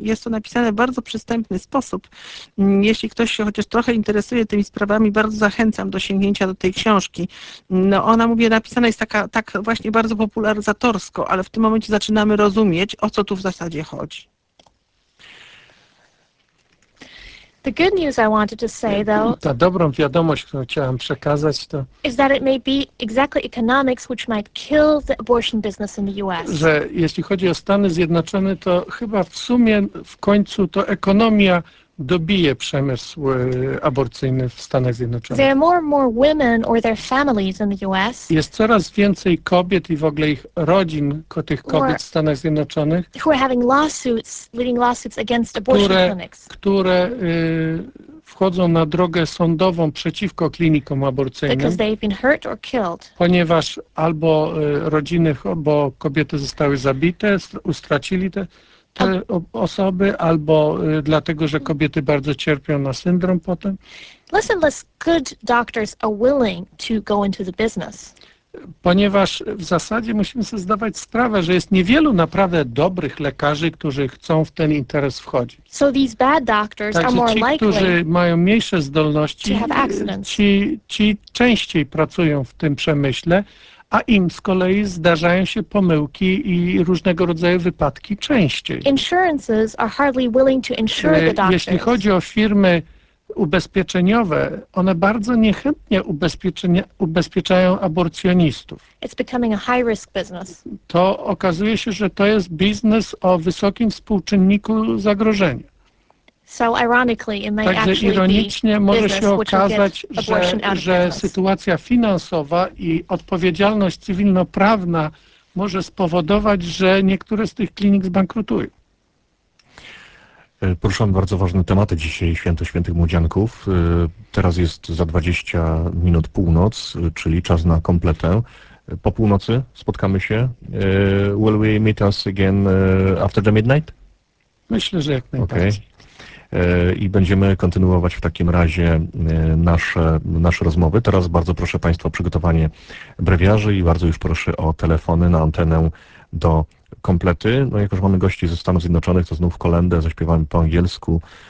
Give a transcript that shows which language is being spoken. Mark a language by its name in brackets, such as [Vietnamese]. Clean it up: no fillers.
[Polish] Jest to napisane w bardzo przystępny sposób. Jeśli ktoś się chociaż trochę interesuje tymi sprawami, bardzo zachęcam do sięgnięcia do tej książki. No ona, mówię, napisana jest taka, tak właśnie bardzo popularyzatorsko, ale w tym momencie zaczynamy rozumieć, o co tu w zasadzie chodzi. [English] The good news I wanted to say, though, [Polish] ta dobrą wiadomość, którą chciałem przekazać, to [English] is that it may be exactly economics which might kill the abortion business in the US. [Polish] Że jeśli chodzi o Stany Zjednoczone, to chyba w sumie w końcu to ekonomia dobije przemysł aborcyjny w Stanach Zjednoczonych. [English] There are more and more women or their families in the US. [Polish] Jest coraz więcej kobiet i w ogóle ich rodzin, tych kobiet w Stanach Zjednoczonych, [English] who are having lawsuits, leading lawsuits against abortion clinics. [Polish] Które wchodzą na drogę sądową przeciwko klinikom aborcyjnym. [English] Because they've been hurt or killed. [Polish] Ponieważ albo rodziny, bo kobiety zostały zabite, ustracili te osoby, albo dlatego, że kobiety bardzo cierpią na syndrom potem. [English] Less and less good doctors are willing to go into the business. [Polish] Ponieważ w zasadzie musimy sobie zdawać sprawę, że jest niewielu naprawdę dobrych lekarzy, którzy chcą w ten interes wchodzić. [English] So these bad doctors [Polish] Także [English] are more likely [Polish] ci, którzy mają mniejsze zdolności, [English] to have accidents. [Polish] Ci częściej pracują w tym przemyśle, a im z kolei zdarzają się pomyłki i różnego rodzaju wypadki częściej. [English] Insurances are hardly willing to insure the doctors. [Polish] Jeśli chodzi o firmy ubezpieczeniowe, one bardzo niechętnie ubezpieczają aborcjonistów. [English] It's becoming a high-risk business. [Polish] To okazuje się, że to jest biznes o wysokim współczynniku zagrożenia. [English] So ironically, it may [Polish] Także [English] actually [Polish] ironicznie [English] be [Polish] może [English] business, [Polish] się okazać, że sytuacja finansowa i odpowiedzialność cywilnoprawna może spowodować, że niektóre z tych klinik zbankrutują. Poruszamy bardzo ważne tematy dzisiaj, Święto Świętych Młodzianków. Teraz jest za 20 minut północ, czyli czas na kompletę. Po północy spotkamy się. [English] Will we meet us again after the midnight? [Polish] Myślę, że jak najbardziej. [English] Okay. [Polish] I będziemy kontynuować w takim razie nasze rozmowy. Teraz bardzo proszę Państwa o przygotowanie brewiarzy i bardzo już proszę o telefony na antenę do komplety. No jako, że mamy gości ze Stanów Zjednoczonych, to znów kolędę zaśpiewamy po angielsku.